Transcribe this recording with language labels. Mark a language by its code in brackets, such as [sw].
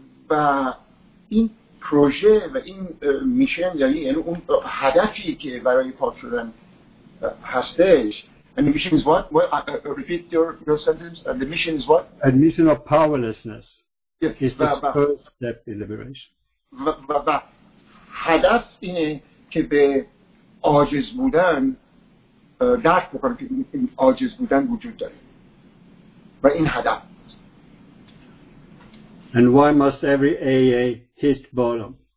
[fa] و این پروژه و این میشن، یعنی اون هدفی که برای پاک شدن هستش. [en] And the mission is what? Repeat your sentence. And the mission is what? Admission of powerlessness is the first step in liberation. [fa] و هدف اینه که به عاجز بودن درک بکنه که این عاجز بودن وجود داره. و این هدف. [en] And why must every AA hit bottom?